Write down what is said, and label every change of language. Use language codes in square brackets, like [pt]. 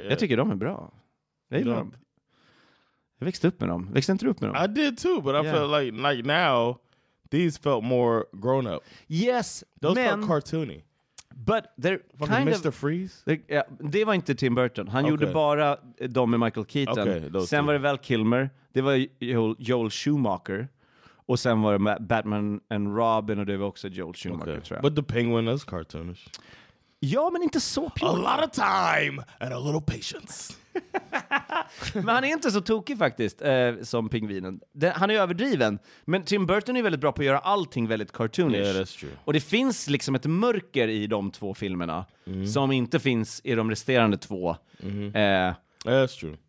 [sv] Yeah. Jag tycker de är bra. Jag gillar dem. Jag växte upp med dem. Växte inte du upp med dem? [en] I did too, but I felt like now these felt more grown up. Yes, those felt cartoony. But they're kind Mr. Freeze? [sv] Det var inte Tim Burton. Han gjorde bara de med Michael Keaton. [en] Okay, [sv] sen var det Val Kilmer. Det var Joel Schumacher. Och sen var det Batman and Robin. Och det var också Joel Schumacher, tror jag. [en] But the Penguin is cartoonish. [sv] Ja, men inte så pure. [en] A lot of time and a little patience. [sv] Men han är inte så tokig faktiskt som pingvinen. Han är överdriven. Men Tim Burton är väldigt bra på att göra allting väldigt cartoonish. [en] Yeah, that's true. [sv] Och det finns liksom ett mörker i de två filmerna som inte finns i de resterande två. [en] Yeah, that's true.